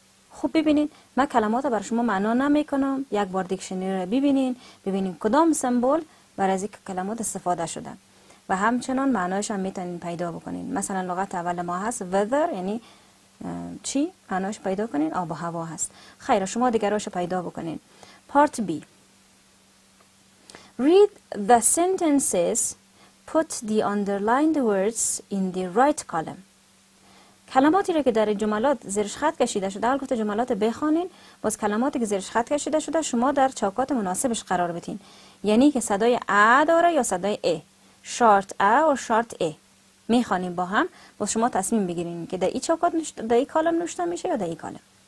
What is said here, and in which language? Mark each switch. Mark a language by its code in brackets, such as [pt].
[fa] خوب ببینین، من کلمات برای شما معنا نمی کنم. یک بار دیکشنری رو ببینین، ببینین کدام سمبول برای از یک کلمات استفاده شده و همچنان معنایش هم میتونین پیدا بکنین. مثلا لغت اول ما هست weather، یعنی چی معنایش پیدا کنین؟ آب و هوا هست. خیر، شما دیگراش رو پیدا بکنین. [en] Part B. Read the sentences. Put the underlined words in the right column. [fa] کلماتی را که در جملات زیرش خط کشیده شده، البته جملات بخونین، باز کلماتی که زیرش خط کشیده شده شما در چوکات مناسبش قرار بدین. یعنی که صدای ا داره یا صدای ا. شارت ا و شارت ا. میخونیم با هم، باز شما تصمیم بگیرین که در این چوکات نوشته، در این کالم نوشته میشه یا در این کالم.